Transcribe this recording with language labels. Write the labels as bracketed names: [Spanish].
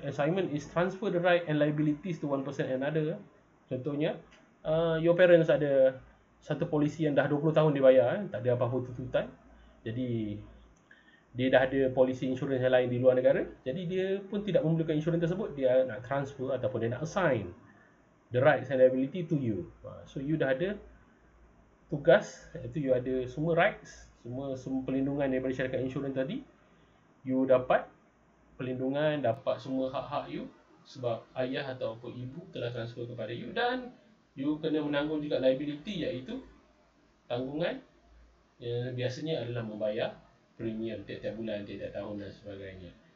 [English] Assignment is transfer the right and liabilities to one person another. [Malay] Contohnya, [English] your parents [Malay] ada satu polisi yang dah 20 tahun dibayar, tak ada apa-apa tuntutan. Jadi dia dah ada polisi insurans yang lain di luar negara, jadi dia pun tidak memerlukan insurans tersebut. Dia nak transfer ataupun dia nak assign [English] the rights and liability to you. [Malay] So you dah ada tugas, iaitu you ada semua rights, semua perlindungan daripada syarikat insurans tadi. You dapat perlindungan, dapat semua hak-hak you sebab ayah atau apa ibu telah transfer kepada you, dan you kena menanggung juga liability, iaitu tanggungan yang biasanya adalah membayar premium tiap-tiap bulan, tiap-tiap tahun dan sebagainya.